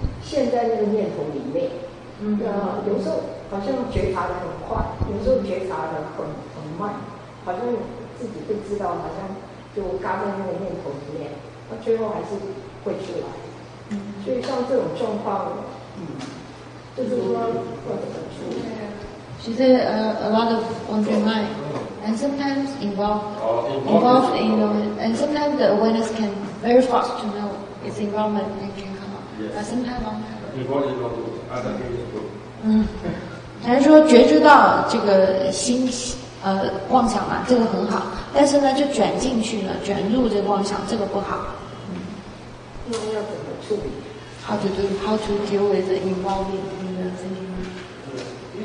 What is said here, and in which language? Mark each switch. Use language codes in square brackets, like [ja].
[zh] 现在那个念头里面，有时候好像觉察得很快，有时候觉察得很慢，好像自己不知道，好像就嘎在那个念头里面，那最后还是会出来。所以像这种状况，就是说或者怎么说。 [en] She said a lot of on your mind, and sometimes involved in your, and sometimes the awareness can very fast to know its involvement and can come up. Yes. But sometimes on. Involved in your mind, other people. [zh] 嗯，还是说觉知到这个心妄想啊，这个很好，但是呢，就卷进去了，卷入这个妄想，这个不好。那要怎么处理 [en] ？How to do? How to deal with the involving in the thinking?